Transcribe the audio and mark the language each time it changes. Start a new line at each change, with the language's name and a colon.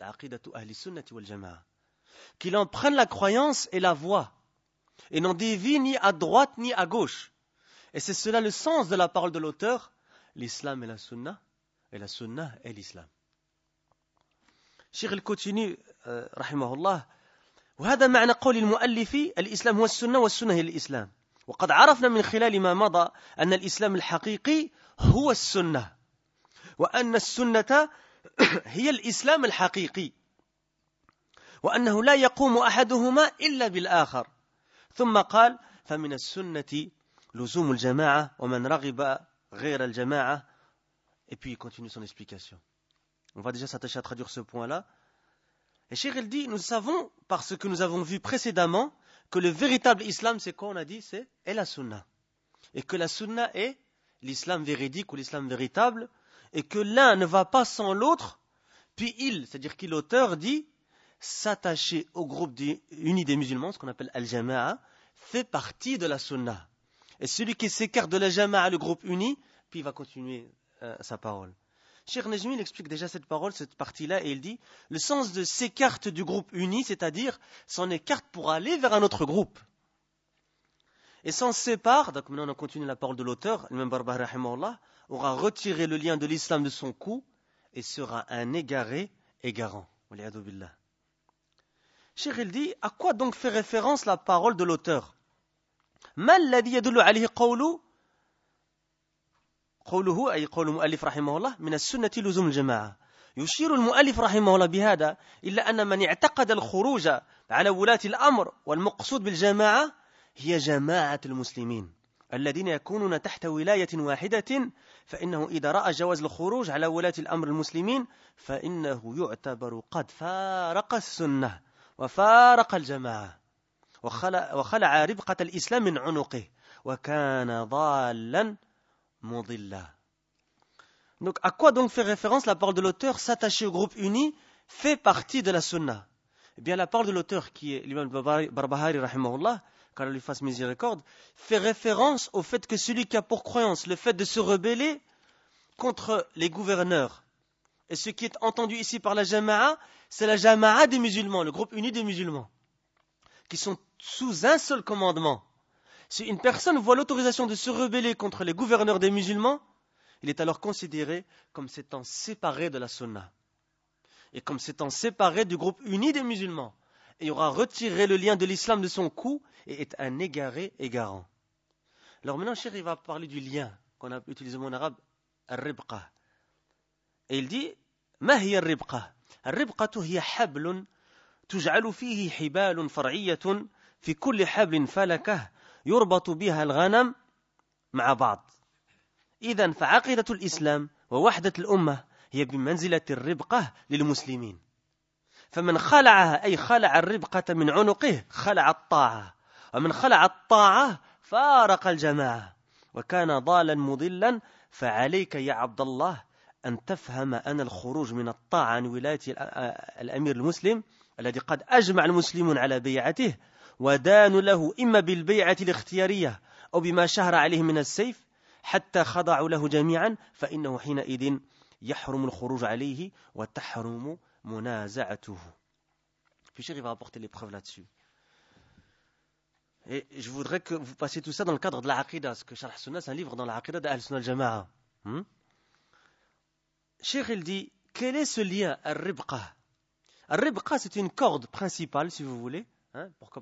Arabic: Aqidatu ahli sunnati wal jama'a.
French: Qu'il en prenne la croyance et la voie, et n'en dévie ni à droite ni à gauche. Et c'est cela le sens de la parole de l'auteur. L'islam est la sunna, et la sunna est l'islam. Cheikh continue, rahimahullah.
Arabic: وهذا معنى قول المؤلف الإسلام هو السنة والسنة هي الإسلام. وقد عرفنا من خلال ما مضى أن الإسلام الحقيقي هو السنة. وأن السنة هي الإسلام الحقيقي وأنه لا يقوم أحدهما إلا بالآخر ثم قال فمن السنة لزوم الجماعة ومن رغب غير الجماعة
French: et puis il continue son explication. On va déjà s'attacher à traduire ce point-là. Et Cheikh il dit, nous savons, par ce que nous avons vu précédemment, que le véritable islam, c'est quoi on a dit ? C'est la sunna. Et que la sunna est l'islam véridique ou l'islam véritable. Et que l'un ne va pas sans l'autre, puis il, c'est-à-dire qu'il l'auteur dit, s'attacher au groupe unis des musulmans, ce qu'on appelle Al-Jama'a, fait partie de la Sunna. Et celui qui s'écarte de la Jama'a, le groupe uni, puis il va continuer sa parole. Cheikh Najmi, il explique déjà cette parole, cette partie-là, et il dit, le sens de s'écarte du groupe uni, c'est-à-dire s'en écarte pour aller vers un autre groupe. Et sans sépare, donc maintenant on continue la parole de l'auteur, l'imam Barbah rahimahullah, aura retiré le lien de l'islam de son cou et sera un égaré égarant. Waliyadu billah. Cheikh, il dit, à quoi donc fait référence la parole de l'auteur ?
Arabic: Ma alladhi yadullu alayhi qawlu قوله أي قول المؤلف رحمه الله من السنة لزوم الجماعة يشير المؤلف رحمه الله بهذا إلا أن من اعتقد الخروج على ولاة الأمر والمقصود بالجماعة هي جماعة المسلمين الذين يكونون تحت ولاية واحدة فإنه إذا رأى جواز الخروج على ولاة الأمر المسلمين فإنه يعتبر قد فارق السنة وفارق الجماعة وخلع ربقة الإسلام من عنقه وكان ضالا Mondillah.
French: Donc, à quoi donc fait référence la parole de l'auteur ? S'attacher au groupe uni fait partie de la sunna. Eh bien, la parole de l'auteur, qui est l'imam Barbahari, rahimahullah, qu'Allah lui fasse miséricorde, fait référence au fait que celui qui a pour croyance le fait de se rebeller contre les gouverneurs. Et ce qui est entendu ici par la jama'a, c'est la jama'a des musulmans, le groupe uni des musulmans, qui sont sous un seul commandement. Si une personne voit l'autorisation de se rebeller contre les gouverneurs des musulmans, il est alors considéré comme s'étant séparé de la sunna. Et comme s'étant séparé du groupe uni des musulmans. Et aura retiré le lien de l'islam de son cou et est un égaré égarant. Alors maintenant, Cheikh, il va parler du lien qu'on a utilisé en arabe, al-ribqa. Et il dit,
Arabic: « Ma hiya al-ribqa ?»« Al-ribqa tu hiya hablun, tuj'alu fihi hibalun far'iyyatun, fi kulli hablin falakah. » يربط بها الغنم مع بعض. إذن فعقيدة الإسلام ووحدة الأمة هي بمنزلة الربقة للمسلمين. فمن خلعها أي خلع الربقة من عنقه خلع الطاعة. ومن خلع الطاعة فارق الجماعة. وكان ضالا مضلا فعليك يا عبد الله أن تفهم أن الخروج من الطاعة عن ولاية الأمير المسلم الذي قد أجمع المسلمون على بيعته ودانوا له إما بالبيعة الاختيارية أو بما شهر عليه من السيف حتى خضعوا له جميعا فإنه حينئذ يحرم الخروج عليه وتحرم منازعته.
French: Puis Cheikh va apporter les preuves là-dessus. Et je voudrais que vous passiez tout ça dans le cadre de l'Aqida, parce que Sharh Sunnah, c'est un livre dans l'Aqida d'Ahl Sunnah al-Jama'a. Cheikh, il dit, quel est ce lien al-ribqa ? Al-ribqa, c'est une corde principale, si vous voulez. Hein, pourquoi ?